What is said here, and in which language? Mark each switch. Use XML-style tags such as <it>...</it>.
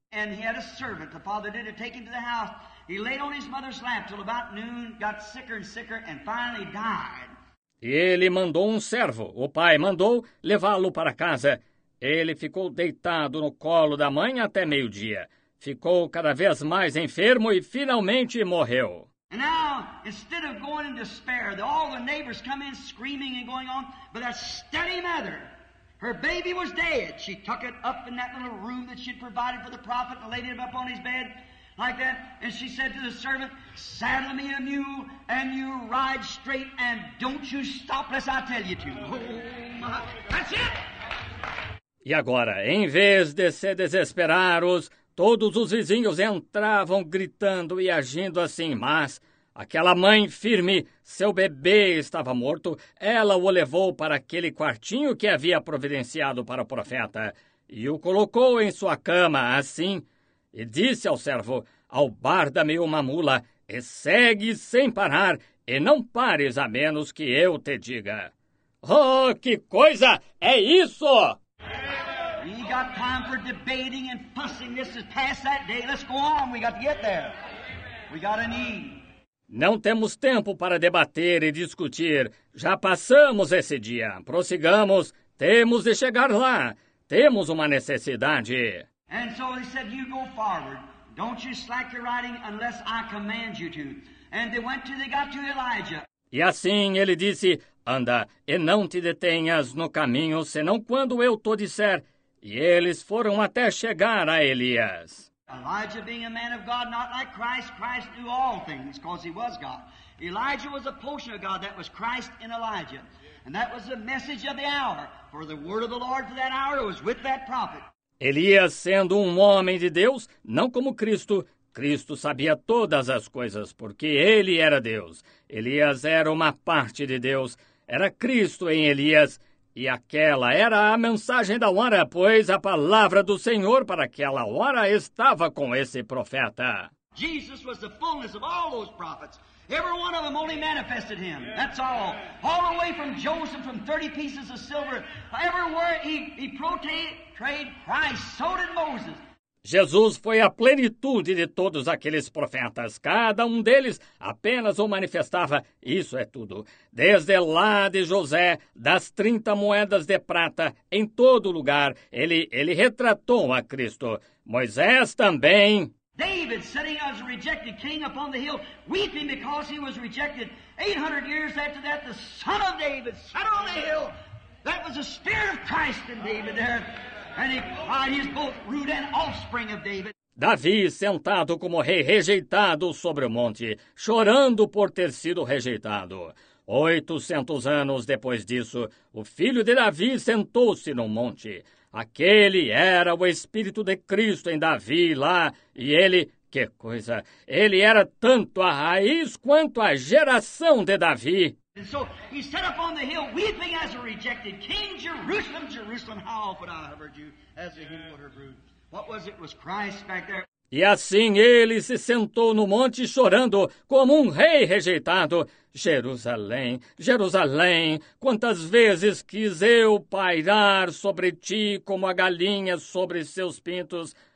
<en>And he had a servant, the father did it, take him to the house. He laid on his mother's lap till about noon, got sicker and sicker, and finally died.</en> <pt>E ele mandou um servo, o pai mandou levá-lo para casa. Ele ficou deitado no colo da mãe até meio-dia. Ficou cada vez mais enfermo e finalmente morreu.</pt> <en>And now, instead of going in despair, all the neighbors come in screaming and going on, but a steady mother, her baby was dead. She took it up in that little room that she'd provided for the prophet and laid it up on his bed. Like that, and she said to the servant, saddle me a mule, and you ride straight, and don't you stop unless I tell you to. Oh, my. That's it!</en> <pt>E agora, em vez de se desesperar, todos os vizinhos entravam gritando e agindo assim, mas aquela mãe firme, seu bebê estava morto, ela o levou para aquele quartinho que havia providenciado para o profeta, e o colocou em sua cama, assim, e disse ao servo, albarda-me uma mula, e segue sem parar, e não pares a menos que eu te diga. Oh, que coisa! É isso!</pt> <en>We got time for debating and fussing. This is past that day. Let's go on. We got to get there. We got a need.</en> <pt>Não temos tempo para debater e discutir. Já passamos esse dia. Prossigamos. Temos de chegar lá. Temos uma necessidade.</pt> <en>And so he said, you go forward. Don't you slack your riding unless I command you to. And they went till they got to Elijah.</en> <pt>E assim ele disse, anda, e não te detenhas no caminho, senão quando eu to disser. E eles foram até chegar a Elias.</pt> <en>Elijah being a man of God, not like Christ, Christ knew all things, because he was God. Elijah was a portion of God, that was Christ in Elijah. And that was the message of the hour, for the word of the Lord for that hour was with that prophet.</en> <pt>Elias, sendo um homem de Deus, não como Cristo. Cristo sabia todas as coisas, porque ele era Deus. Elias era uma parte de Deus. Era Cristo em Elias. E aquela era a mensagem da hora, pois a palavra do Senhor para aquela hora estava com esse profeta.</pt> <en>Jesus was the fullness of all those prophets. Every one of them only manifested him. That's all. All the way from Joseph, from 30 pieces of silver. Everywhere he portrayed Christ, so did Moses.</en> <pt>Jesus foi a plenitude de todos aqueles profetas. Cada um deles apenas o manifestava. Isso é tudo. Desde lá de José, das 30 moedas de prata, em todo lugar, ele retratou a Cristo. Moisés também.</pt> <en>David, sitting as a rejected king upon the hill, weeping because he was rejected. 800 years after that, the son of David sat on the hill. That was the spirit of Christ in David there. And he cried, he's both root and offspring of David.</en> <pt>Davi, sentado como rei rejeitado sobre o monte, chorando por ter sido rejeitado. 800 anos depois disso, o filho de Davi sentou-se no monte. Aquele era o Espírito de Cristo em Davi lá, e ele, que coisa, ele era tanto a raiz quanto a geração de Davi.</pt> <en>And so he sat up on the hill weeping as a rejected king, Jerusalem, Jerusalem, how often I have heard you as a hymn for her brood. What was it? Was Christ back there?</en> <pt>E assim ele se sentou no monte chorando, como um rei rejeitado. Jerusalém, Jerusalém, quantas vezes quis eu pairar sobre ti como a galinha sobre seus pintos.</pt>